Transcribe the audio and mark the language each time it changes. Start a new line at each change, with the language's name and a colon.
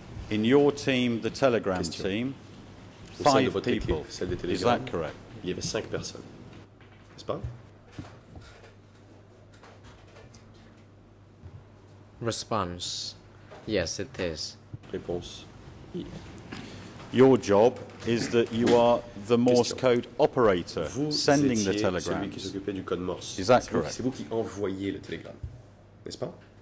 English: In your team, the telegram team, five people, is that correct?
French: Il y avait cinq personnes, n'est-ce pas?
English: Response. Yes, it is.
French: Réponse.
English: Your job is that you are the Morse code operator sending the telegrams.
French: Celui qui s'occupait du code Morse.
English: Is that
French: c'est
English: correct?
French: C'est vous qui envoyez le télégramme, n'est-ce pas?